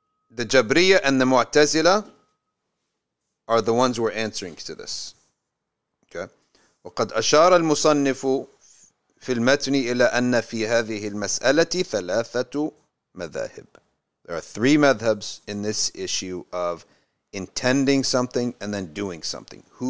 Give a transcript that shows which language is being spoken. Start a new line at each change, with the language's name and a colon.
English: The Jabriya and the Mu'tazila are the ones we're answering to this. Okay.
Arabic: وقد أشار المصنف في المتن إلى أن في هذه المسألة ثلاثة مذاهب.
English: There are three madhabs in this issue of intending something and then doing something.